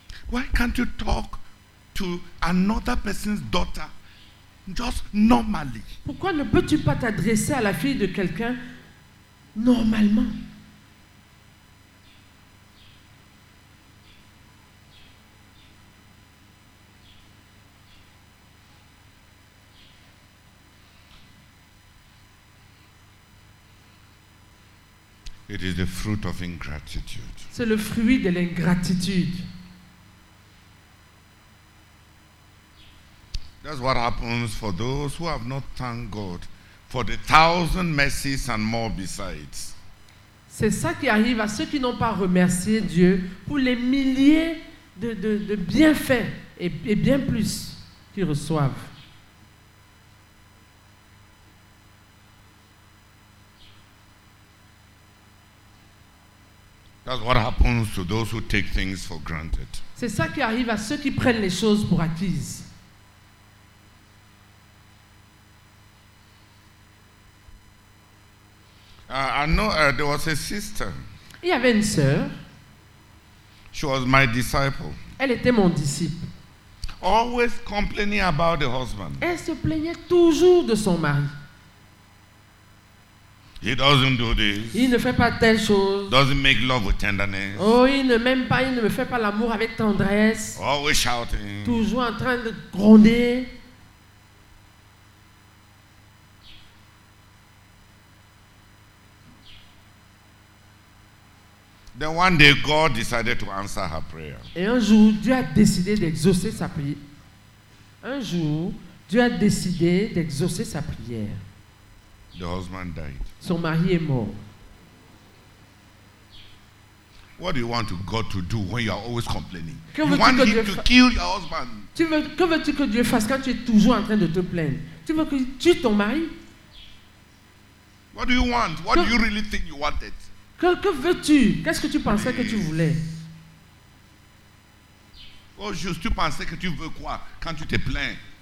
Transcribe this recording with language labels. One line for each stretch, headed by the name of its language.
English: Why can't you talk to another person's daughter just normally?
French: Pourquoi ne peux-tu pas t'adresser à la fille de quelqu'un normalement?
English: It is the fruit of ingratitude.
French: C'est le fruit de l'ingratitude.
English: That's what happens for those who have not thanked God for the 1,000 mercies and more besides.
French: C'est ça qui arrive à ceux qui n'ont pas remercié Dieu pour les milliers de bienfaits et bien plus qu'ils reçoivent.
English: That's what happens to those who take things for granted.
French: C'est ça qui arrive à ceux qui prennent les choses pour acquises.
English: There was a sister.
French: Il y avait une sœur.
English: She was my disciple.
French: Elle était mon disciple.
English: Always complaining about the husband.
French: Elle se plaignait toujours de son mari.
English: He doesn't do this.
French: Il ne fait pas telle chose.
English: Doesn't make love with tenderness.
French: Oh, il ne m'aime pas, il ne me fait pas l'amour avec tendresse.
English: Always shouting.
French: Toujours en train de gronder.
English: Then one day God decided to answer her prayer.
French: Et un jour, Dieu a décidé d'exaucer sa prière. Un jour, Dieu a décidé d'exaucer sa prière.
English: The husband died.
French: Son mari est mort.
English: What do you want God to do when you are always complaining? You want him to kill your husband.
French: Que veux-tu que Dieu fasse quand tu es toujours en train de te plaindre? Tu veux qu'il tue ton mari?
English: What do you want? What do you really think you wanted?
French: Que veux-tu? Qu'est-ce que tu pensais que tu voulais? Oh, juste, tu pensais que tu veux quoi quand tu te plains?